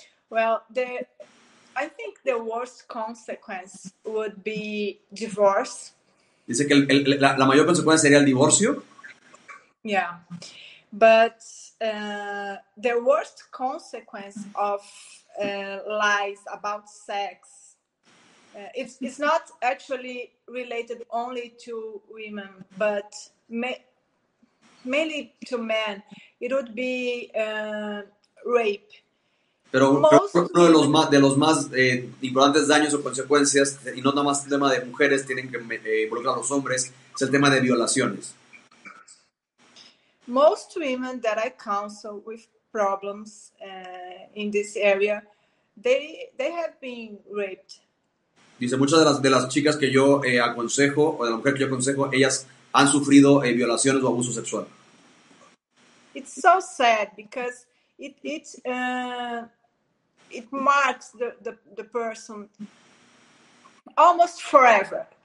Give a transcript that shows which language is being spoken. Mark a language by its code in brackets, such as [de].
[en] Well, I think the worst consequence would be divorce. [es] Dice que la mayor consecuencia sería el divorcio. [en] Yeah, but the worst consequence of lies about sex, it's not actually related only to women, but mainly to men. It would be rape. [es] Pero uno de los más importantes daños o consecuencias, y no nada más el tema de mujeres, tienen que involucrar a los hombres, es el tema de violaciones. [en] Most women that I counsel with problems in this area, they have been raped. [es] Dice, muchas de las chicas que yo aconsejo, o de la mujer que yo aconsejo, ellas han sufrido violaciones o abuso sexual. [en] It's so sad because it marks the person almost forever.